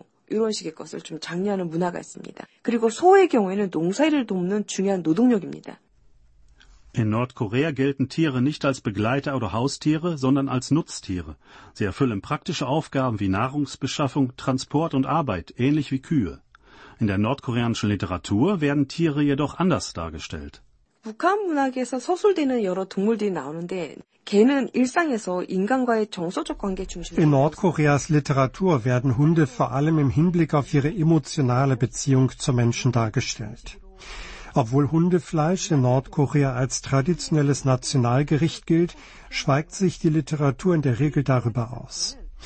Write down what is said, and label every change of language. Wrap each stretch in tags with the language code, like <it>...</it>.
<ko>이런 식의 것을 좀 장려하는 문화가 있습니다. 그리고 소의 경우에는 농사일을 돕는 중요한 노동력입니다.</ko> <de>In Nordkorea gelten Tiere nicht als Begleiter oder Haustiere, sondern als Nutztiere. Sie erfüllen praktische Aufgaben wie Nahrungsbeschaffung, Transport und Arbeit, ähnlich wie Kühe. In der nordkoreanischen Literatur werden Tiere jedoch anders dargestellt.</de> <ko>북한 문학에서 서술되는 여러 동물들이 나오는데 개는 일상에서 인간과의 정서적 관계 중심.</ko> <de>In Nordkoreas Literatur werden Hunde vor allem im Hinblick auf ihre emotionale Beziehung zu Menschen dargestellt. Obwohl Hundefleisch in Nordkorea als traditionelles Nationalgericht gilt, schweigt sich die Literatur in der Regel darüber aus.</de>